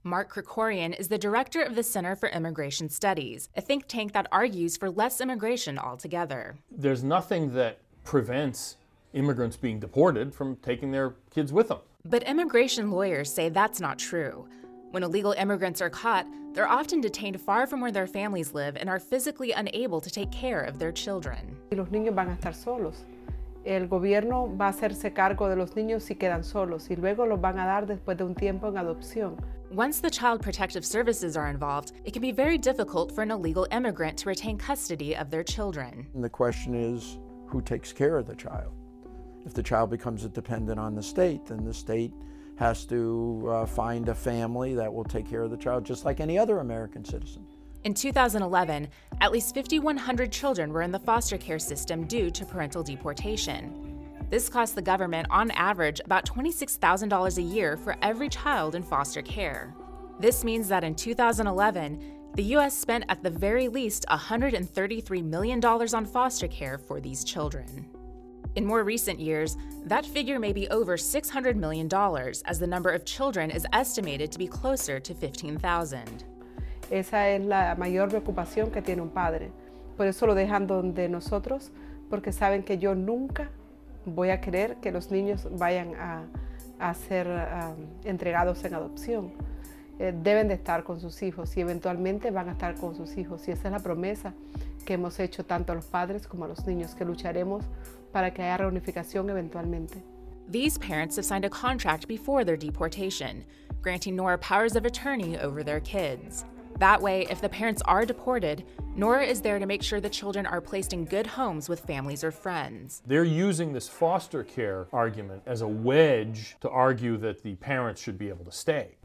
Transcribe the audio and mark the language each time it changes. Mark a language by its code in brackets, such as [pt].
[en] Mark Krikorian is the director of the Center for Immigration Studies, a think tank that argues for less immigration altogether. There's nothing that prevents immigrants being deported from taking their kids with them. But immigration lawyers say that's not true. When illegal immigrants are caught, they're often detained far from where their families live and are physically unable to take care of their children. [es] Los niños van a estar solos. El gobierno va a hacerse cargo de los niños si quedan solos y luego los van a dar después de un tiempo en adopción. [en] Once the Child Protective Services are involved, it can be very difficult for an illegal immigrant to retain custody of their children. And the question is, who takes care of the child? If the child becomes a dependent on the state, then the state has to find a family that will take care of the child, just like any other American citizen. In 2011, at least 5,100 children were in the foster care system due to parental deportation. This cost the government, on average, about $26,000 a year for every child in foster care. This means that in 2011, the U.S. spent at the very least $133 million on foster care for these children. In more recent years, that figure may be over $600 million, as the number of children is estimated to be closer to 15,000. [es] Esa es la mayor preocupación que tiene un padre. Por eso lo dejan donde nosotros, porque saben que yo nunca voy a querer que los niños vayan a ser entregados en adopción. Deben de estar con sus hijos y eventualmente van a estar con sus hijos. Y esa es la promesa que hemos hecho tanto a los padres como a los niños, que lucharemos para que haya reunificación eventualmente. [en] These parents have signed a contract before their deportation, granting Nora powers of attorney over their kids. That way, if the parents are deported, Nora is there to make sure the children are placed in good homes with families or friends. They're using this foster care argument as a wedge to argue that the parents should be able to stay.